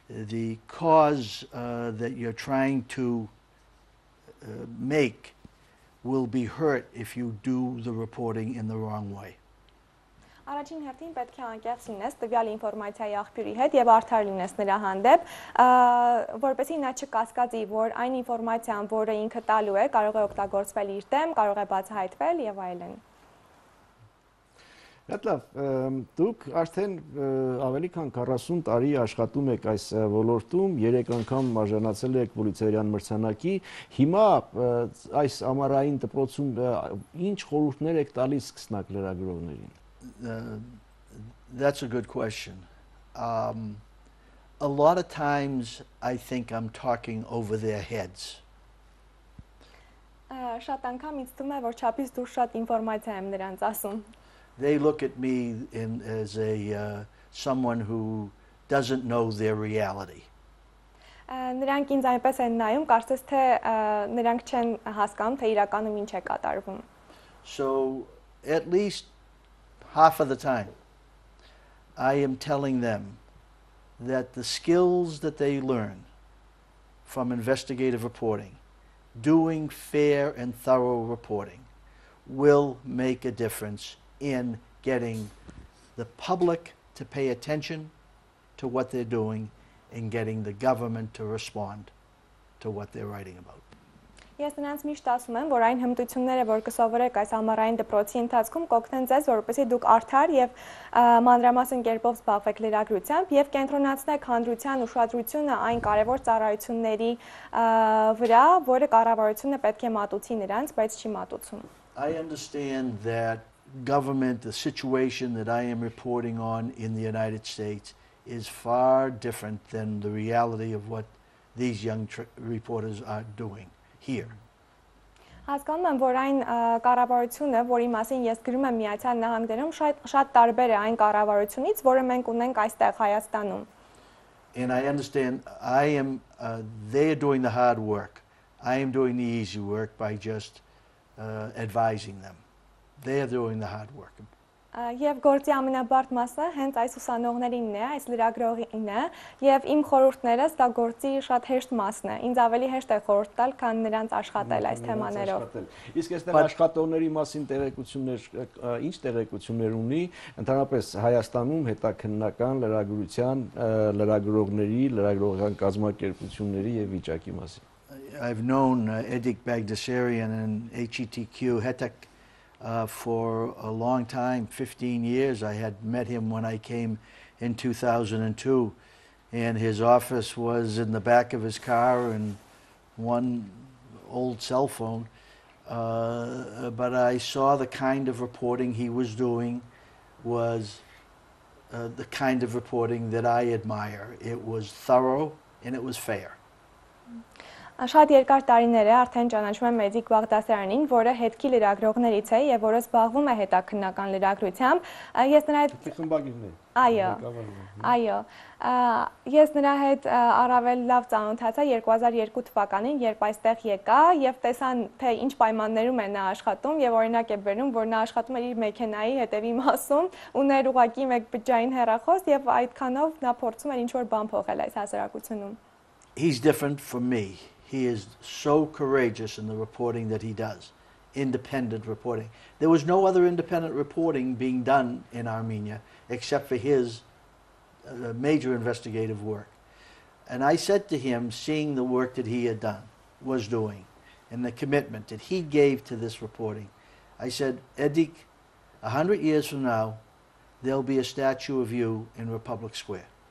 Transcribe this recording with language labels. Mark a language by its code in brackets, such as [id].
[en] the cause that you're trying to make will be hurt if you do the reporting in the wrong way. [hy] Առաջին հերթին պետք է անկեղծ լինես տվյալ ինֆորմացիայի աղբյուրի հետ եւ արդար լինես նրա հանդեպ, որպեսզի նա չկասկածի, որ այն ինֆորմացիան, որը ինքը տալու է, կարող է օգտագործվել իր դեմ, կարող է բացահայտվել եւ այլն։ Լավ, դուք արդեն ավելի քան 40 տարի աշխատում եք այս ոլորտում, 3 անգամ մարժանացել եք Պուլիցերյան մրցանակի։ Հիմա այս ամառային դպրոցում ինչ խորհուրդներ եք տալիս սկսնակ լրագրողներին։ [en] That's a good question. A lot of times I think I'm talking over their heads. [hy] Շատ անգամ ինձ թվում է, որ չափից դուր շատ ինֆորմացիա եմ նրանց ասում։ [en] They look at me in as a someone who doesn't know their reality. [hy] Նրանք ինձ այնպես են նայում, կարծես թե նրանք չեն հասկանում, թե իրականում ինչ է կատարվում։ [en] So at least half of the time I am telling them that the skills that they learn from investigative reporting, doing fair and thorough reporting, will make a difference in getting the public to pay attention to what they're doing and getting the government to respond to what they're writing about. [hy] Ես նրանց միշտ ասում եմ, որ այն հմտությունները, որ կսովորեք այս ամառային դպրոցի ընթացքում, կօգնեն ձեզ, որպեսզի դուք արդար եւ մանրամասն կերպով զբաղվեք լրագրությամբ եւ կենտրոնացնեք հանրության ուշադրությունը այն կարեւոր ծառայությունների վրա, որը կառավարությունը պետք է մատուցի նրանց, բայց չի մատուցում։ [en] I understand that government, the situation that I am reporting on in the United States is far different than the reality of what these young reporters are doing. [hy] Հասկանում եմ, որ այն կառավարությունը, որի մասին ես գրում եմ Միացյալ Նահանգներում, շատ տարբեր է այն կառավարությունից, որը մենք ունենք այստեղ Հայաստանում։ [en] And I understand I am they are doing the hard work. I am doing the easy work by just advising them. They are doing the hard work. [hy] Եվ գործի ամենաբարդ մասը հենց այս ուսանողներինն է, այս լրագրողինն է, եւ իմ խորհուրդները՝ ստա գործի շատ հեշտ մասն է։ Ինձ ավելի հեշտ է խորհուրդ տալ, քան նրանց աշխատել այս թեմաներով։ Իսկ այստեղ աշխատողների մասին տեղեկություններ, ի՞նչ տեղեկություններ ունի ընդհանրապես Հայաստանում հետաքննական լրագրության, լրագրողների, լրագրողական կազմակերպությունների եւ վիճակի մասին։ [en] I've known Edik Bagdasarian and HETQ Hetak for a long time, 15 years. I had met him when I came in 2002, and his office was in the back of his car and one old cell phone. But I saw the kind of reporting he was doing was the kind of reporting that I admire. It was thorough and it was fair. [hy] Շատ երկար տարիներ է արդեն ճանաչում եմ Էդիկ Բաղդասարյանին, որը հետքի լրագրողներից է եւ որը զբաղվում է հետաքննական լրագրությամբ։ Ես նրա հետ խմբագիրն եմ։ Այո։ Այո։ Ես նրա հետ առավել լավ ծանոթացա 2002 թվականին, երբ այստեղ եկա եւ տեսան, թե ինչ պայմաններում է նա աշխատում եւ օրինակ է բերում, որ նա աշխատում է իր մեքենայի հետեւի մասում, ուներ ուղակի մեկ բջջային հեռախոս եւ այդքանով նա փորձում էր ինչ-որ բան փոխել այս հասարակությունում։ [en] He's different from me. He is so courageous in the reporting that he does, independent reporting. There was no other independent reporting being done in Armenia except for his major investigative work. And I said to him, seeing the work that he had done, was doing, and the commitment that he gave to this reporting, I said, Edik, 100 years from now, there'll be a statue of you in Republic Square.